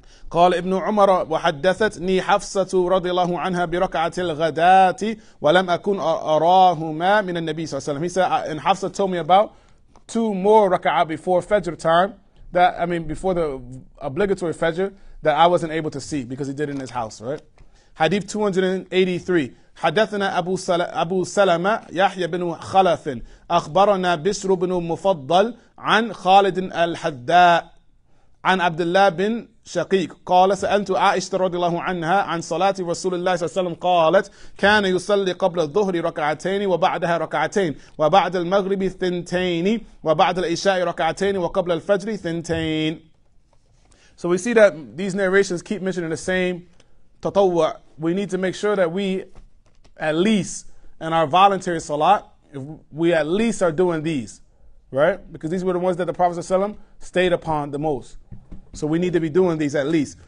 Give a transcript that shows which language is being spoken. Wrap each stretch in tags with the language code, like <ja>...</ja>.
<ar>قال ابن عمر وحدثتني حفصة رضي الله عنها بركعة الغداة ولم أكن أراهما من النبي صلى الله عليه وسلم.</ar> <en>He said, and Hafsa told me about two more raka'ah before Fajr time, before the obligatory Fajr, that I wasn't able to see because he did it in his house, right? Hadith 283.</en> <ar>حدثنا أبو سلمة يحيى بن خلف أخبرنا بشر بن مفضل عن خالد الحداء عن عبد الله بن شقيق قال سألت عائشة رضي الله عنها عن صلاة رسول الله صلى الله عليه وسلم قالت كان يصلي قبل الظهر ركعتين وبعدها ركعتين وبعد المغرب ثنتين وبعد العشاء ركعتين وقبل الفجر ثنتين.</ar> <en>So we see that these narrations keep mentioning the same تطوع. We need to make sure that we at least in our voluntary salat, if we at least are doing these, right? Because these were the ones that the Prophet ﷺ stayed upon the most. So we need to be doing these at least.</en>